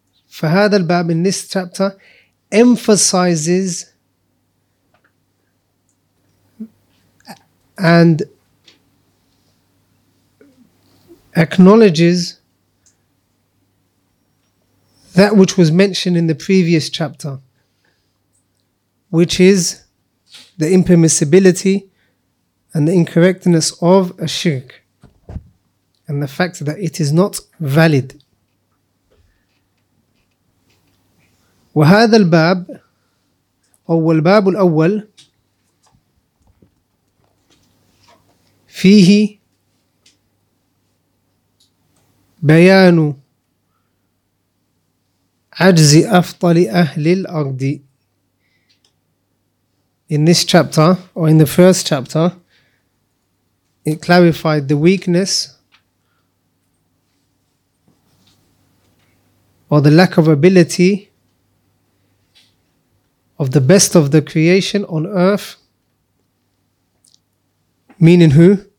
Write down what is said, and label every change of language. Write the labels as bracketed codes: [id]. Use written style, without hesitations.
[ar] فهذا الباب, [en] in this chapter, emphasizes and acknowledges that which was mentioned in the previous chapter, which is the impermissibility and the incorrectness of a shirk and the fact that it is not valid. [ar] وهذا الباب أو الباب الأول فيه بيان عجز أفضل أهل الأرض. [en] In this chapter, or in the first chapter, it clarified the weakness or the lack of ability of the best of the creation on earth, meaning who?